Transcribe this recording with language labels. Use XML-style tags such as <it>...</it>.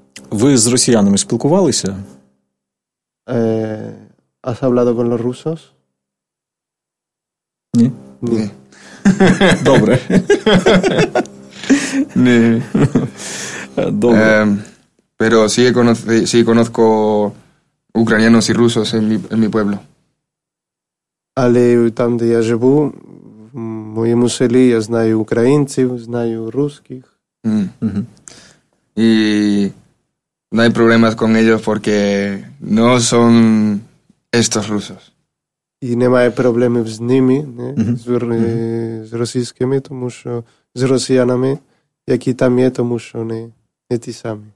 <uk>Ви з росіянами спілкувалися?</uk> <es>Has hablado con los rusos?</es> <uk>Ні. Ні. Добре. Ні. Добре.</uk> <es>Pero sí conozco ucranianos y rusos en mi pueblo.</es> <uk>Але там, де я живу, в моєму селі я знаю українців, знаю русських.</uk> <es>Y no hay problemas con ellos porque no son estos rusos.</es> <uk>І немає проблемів з ними, не? З російськими, тому що з росіянами, які там є, тому що не ті самі.</uk>